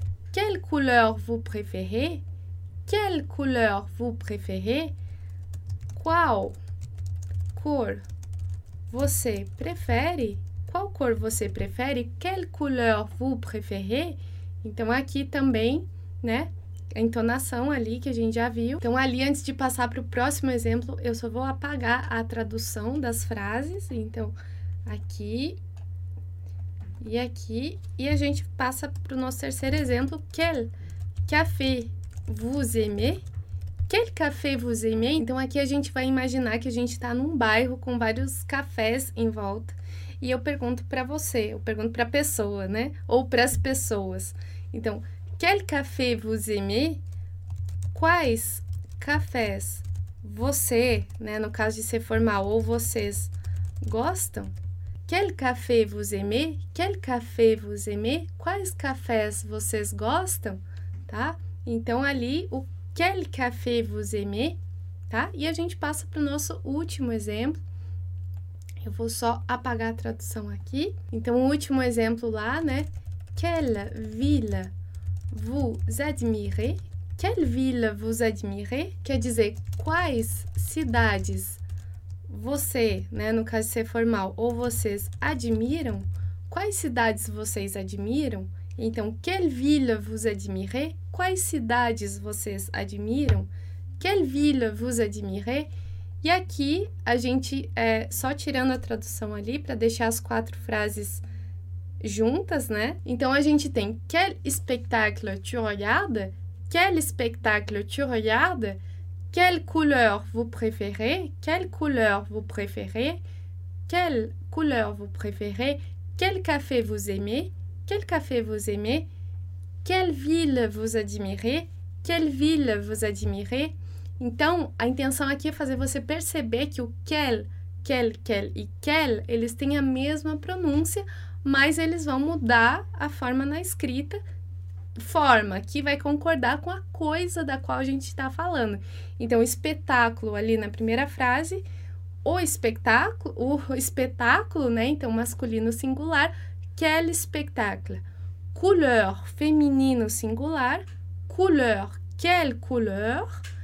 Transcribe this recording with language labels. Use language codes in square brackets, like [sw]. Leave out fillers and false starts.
[fr] Quelle couleur vous préférez? Quelle couleur vous préférez? [pt] Qual cor você prefere? Qual cor você prefere? [fr] Quelle couleur vous préférez? [pt] Então, aqui também, né? A entonação ali que a gente já viu. Então, ali, antes de passar para o próximo exemplo, eu só vou apagar a tradução das frases. Então, aqui e aqui. E a gente passa para o nosso terceiro exemplo. [fr] Quel café vous aimez? Quel café vous aimez? [pt] Então, aqui a gente vai imaginar que a gente está num bairro com vários cafés em volta. E eu pergunto para você, eu pergunto para a pessoa, né? Ou para as pessoas. Então, [fr] quel café vous aimez? [pt] Quais cafés você, né, no caso de ser formal, ou vocês gostam? [fr] Quel café vous aimez? Quel café vous aimez? [pt] Quais cafés vocês gostam? Tá? Então, ali, o [fr] quel café vous aimez? [pt] Tá? E a gente passa para o nosso último exemplo. Eu vou só apagar a tradução aqui. Então, o último exemplo lá, né? [fr] Quelle ville vous admirez? Quelle ville vous admirez? [pt] Quer dizer, quais cidades você, né, no caso de ser formal, ou vocês admiram? Quais cidades vocês admiram? Então, [fr] quelle ville vous admirez? [pt] Quais cidades vocês admiram? [fr] Quelle ville vous admirez? [pt] E aqui, a gente, só tirando a tradução ali para deixar as quatro frases juntas, né? Então, a gente tem [fr] quel spectacle tu regardes? Quel spectacle tu regardes? Quelle couleur vous préférez? Quelle couleur vous préférez? Quelle couleur vous préférez? Quel café vous aimez? Quel café vous aimez? Quelle ville vous admirez? Quelle ville vous admirez? [pt] Então, a intenção aqui é fazer você perceber que o quel, quel, quel e quel, eles têm a mesma pronúncia, mas eles vão mudar a forma na escrita, forma que vai concordar com a coisa da qual a gente está falando. Então, espetáculo ali na primeira frase, o espetáculo, né? Então, masculino singular, quel spectacle. Couleur, feminino singular, couleur, quelle couleur.